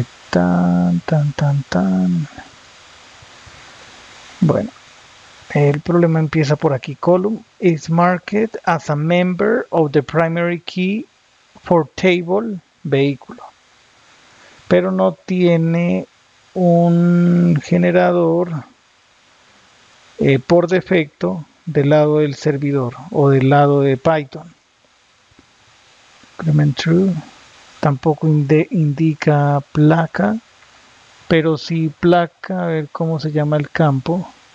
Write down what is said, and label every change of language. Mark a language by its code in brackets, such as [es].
[es] Tan, tan, tan, tan. Bueno, el problema empieza por aquí. [en] Column is marked as a member of the primary key for table, vehículo. [es] Pero no tiene un generador por defecto del lado del servidor o del lado de Python. Increment true. Tampoco indica placa, pero sí placa, a ver cómo se llama el campo.